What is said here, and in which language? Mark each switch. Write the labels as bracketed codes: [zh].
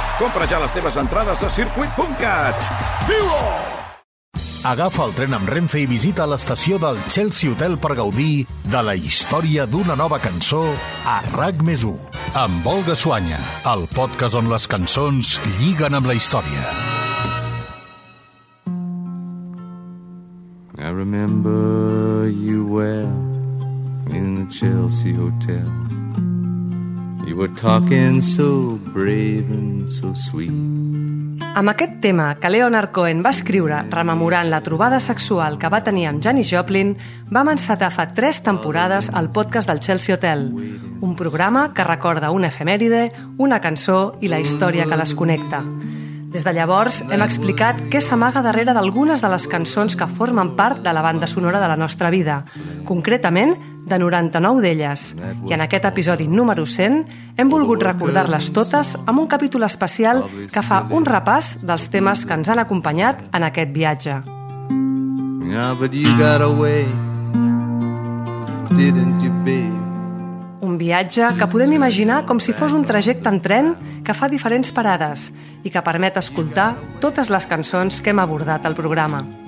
[ca] Compra ja les teves entrades a circuit.cat. Viu-ho! Agafa el tren amb Renfe i visita l'estació del Chelsea Hotel per gaudir de la història d'una nova cançó a RAC+1. Amb Olga Suanya, el podcast on les cançons lliguen amb la història. [en] I remember you well in the Chelsea Hotel. You were talking so brave and so sweet. [ca] Amb aquest tema que Leonard Cohen va escriure rememorant la trobada sexual que va tenir amb Janis Joplin, vam encetar fa 3 temporades el podcast del Chelsea Hotel, un programa que recorda una efemèride, una cançó i la història que les connecta. Des de llavors hem explicat què s'amaga darrere d'algunes de les cançons que formen part de la banda sonora de la nostra vida, concretament de 99 d'elles. I en aquest episodi número 100 hem volgut recordar-les totes amb un capítol especial que fa un repàs dels temes que ens han acompanyat en aquest viatge. [en] Yeah, but you got away, didn't you, babe? [ca] Un viatge que podem imaginar com si fos un trajecte en tren que fa diferents parades i que permet escoltar totes les cançons que hem abordat al programa.